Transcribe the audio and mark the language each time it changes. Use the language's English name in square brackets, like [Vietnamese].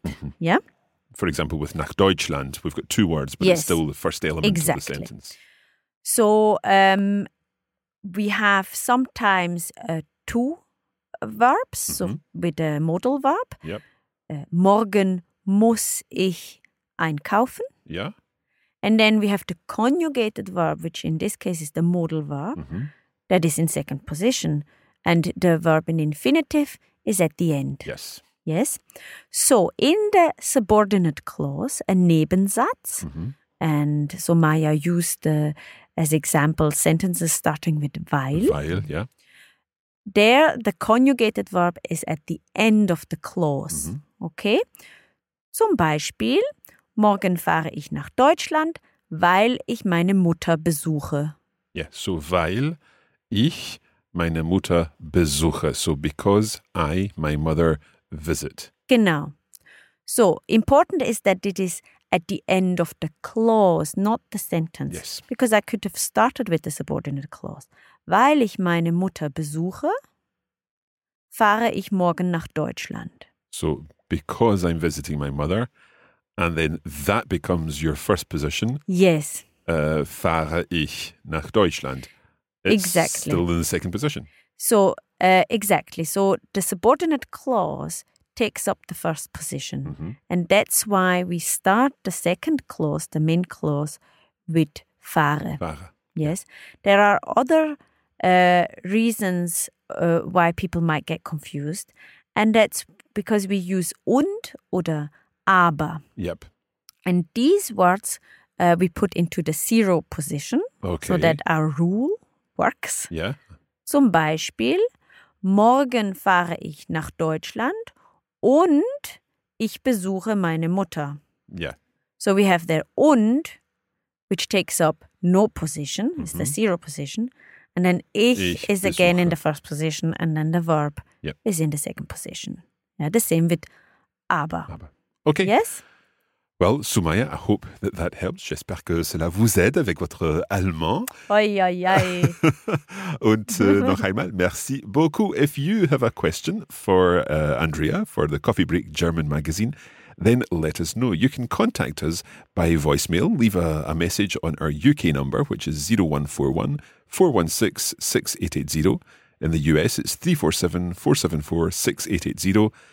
[English] Mm-hmm. Yeah? For example, with nach Deutschland, we've got two words, but yes, it's still the first element exactly of the sentence. So we have sometimes two verbs, mm-hmm, so with a modal verb. Yep. [German] Morgen muss ich einkaufen. [English] Yeah. And then we have the conjugated verb, which in this case is the modal verb, mm-hmm, that is in second position. And the verb in infinitive is at the end. Yes. Yes. So in the subordinate clause, a Nebensatz, mm-hmm, and so Maya used as example sentences starting with weil. Weil, yeah. There, the conjugated verb is at the end of the clause. Mm-hmm. Okay? [German] Zum Beispiel, morgen fahre ich nach Deutschland, weil ich meine Mutter besuche. [English] Yeah, so [German] weil ich meine Mutter besuche. [English] So because I, my mother, visit. [German] Genau. [English] So important is that it is at the end of the clause, not the sentence. Yes. Because I could have started with the subordinate clause. [German] Weil ich meine Mutter besuche, fahre ich morgen nach Deutschland. [English] So, because I'm visiting my mother, and then that becomes your first position. Yes. [German] Fahre ich nach Deutschland. [English] It's exactly still in the second position. So, exactly. So, the subordinate clause takes up the first position. Mm-hmm. And that's why we start the second clause, the main clause, with fahre. [German] Fahre. [English] Yes. There are other reasons why people might get confused. And that's because we use und oder aber. Yep. And these words we put into the zero position. Okay. So that our rule works. Yeah. [German] Zum Beispiel, morgen fahre ich nach Deutschland und ich besuche meine Mutter. [English] Yeah. So we have the und, which takes up no position, mm-hmm, it's the zero position. And then ich is again in the first position, and then the verb, yep, is in the second position. Yeah, the same with aber. Aber. Okay. Yes? Well, Soumaya, I hope that that helps. [French] J'espère que cela vous aide avec votre allemand. Oi, oi, oi. [German] Und noch einmal, [French] merci beaucoup. [English] If you have a question for Andrea for the Coffee Break German magazine, then let us know. You can contact us by voicemail. Leave a message on our UK number, which is 0141 416 6880. In the US, it's 347 474 6880.